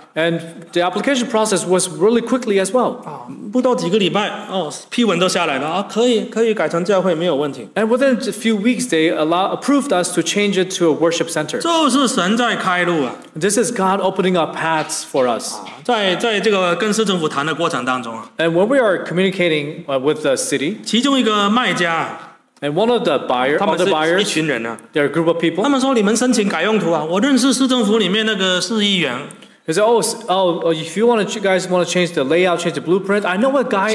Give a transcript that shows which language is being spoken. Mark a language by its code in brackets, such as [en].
[en] And the application process was really quickly as well. [zh] 不到几个礼拜，哦，批文都下来了啊，可以改成教会，没有问题。 [en] And within a few weeks, they approved us to change it to a worship center. [zh] 就是神在开路啊。 [en] This is God opening up paths for us. [zh] 在这个跟市政府谈的过程当中啊。 [en] And when we are communicating with the city, [zh] 其中一个卖家。 [en] And one of the buyers, they're a group of people. [zh] 他们说你们申请改用途啊，我认识市政府里面那个市议员。 [en] He said, if you guys want to change the layout, change the blueprint, I know a guy